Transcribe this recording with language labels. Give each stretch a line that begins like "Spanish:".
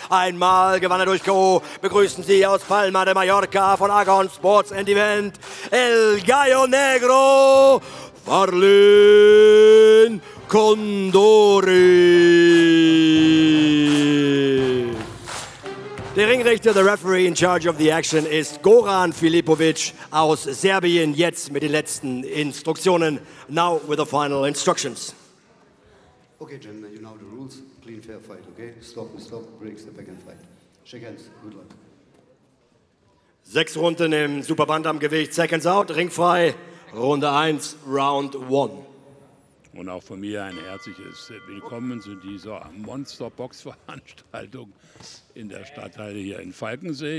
German: 1-mal gewann er durch K.O. Begrüßen Sie aus Palma de Mallorca von Agon Sports and Event, El Gallo Negro, Farlin Condori. Der Ringrichter,
English: the referee in charge of the action,
German: ist Goran Filipovic aus Serbien. Jetzt mit den letzten Instruktionen.
English: Now with the final instructions. Okay, gentlemen, you know the rules. Clean, fair fight, okay? Stop, stop, break, step back and fight. Shake hands, good luck.
German: 6 Runden im Super Bantam-Gewicht.
English: Seconds out,
German: Ring frei. Runde 1,
English: Round 1.
German: Und auch von mir ein herzliches Willkommen zu dieser Monster-Box-Veranstaltung in der Stadthalle hier in Falkensee.